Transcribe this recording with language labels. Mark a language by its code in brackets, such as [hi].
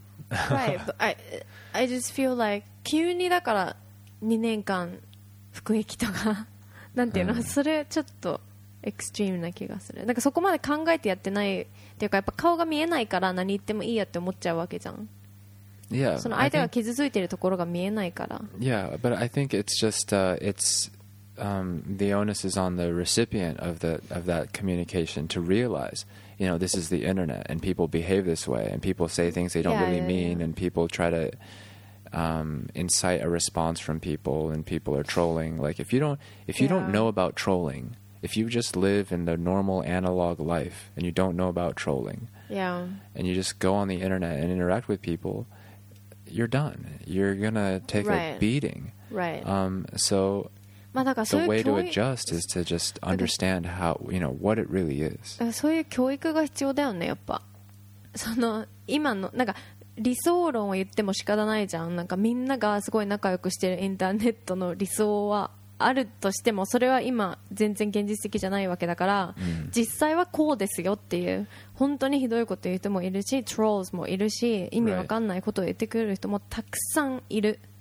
[en] Right, but I just feel like [ja] 急にだから2年間服役とかなんていうの、それちょっとエクストリームな気がする。なんかそこまで考えてやってないっていうか、やっぱ顔が見えないから何言ってもいいやって思っちゃうわけじゃん。 [en] Yeah, [ja] その相手が傷ついてるところが見えないから。 [en] Yeah, but I think it's just the onus is on the recipient of that communication to realize, you know, this is the internet and people behave this way and people say things they don't really mean. And people try to incite a response from people and people are trolling. Like if you don't know about trolling, if you just live in the normal analog life and you don't know about trolling, yeah, and you just go on the internet and interact with people, you're done. You're gonna take right. a beating. Right. So [ja] まあ、だからそういう [en] The way to adjust is to just understand how, you know, what it really is. [ja] そういう教育が必要だよね、やっぱ。その、今の、なんか、理想論を言っても仕方ないじゃん。なんか、みんながすごい仲良くしてるインターネットの理想はあるとしても、それは今、全然現実的じゃないわけだから、 mm-hmm. 実際はこうですよっていう、本当にひどいこと言う人もいるし、trolls もいるし、意味わかんないことを言ってくる人もたくさんいる。